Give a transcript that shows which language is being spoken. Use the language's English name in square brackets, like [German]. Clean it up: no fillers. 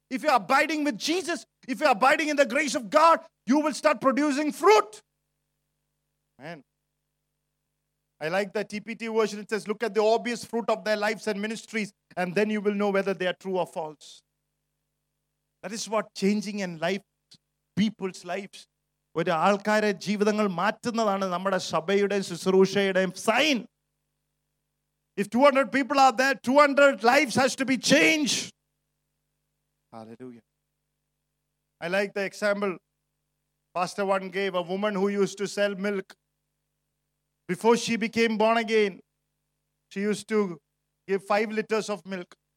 [English] If you're abiding with Jesus, if you're abiding in the grace of God, you will start producing fruit. Man. I like the TPT version. It says, look at the obvious fruit of their lives and ministries, and then you will know whether they are true or false. That is what changing in life, people's lives. [Malayalam] ഒരു ആൾക്കാരെ ജീവിതങ്ങൾ മാറ്റുന്നതാണ് നമ്മുടെ സഭയുടെയും ശുശ്രൂഷയുടെയും sign. [English] If 200 people are there, 200 lives has to be changed. Hallelujah. I like the example Pastor one gave, a woman who used to sell milk. Before she became born again, she used to give 5 liters of milk.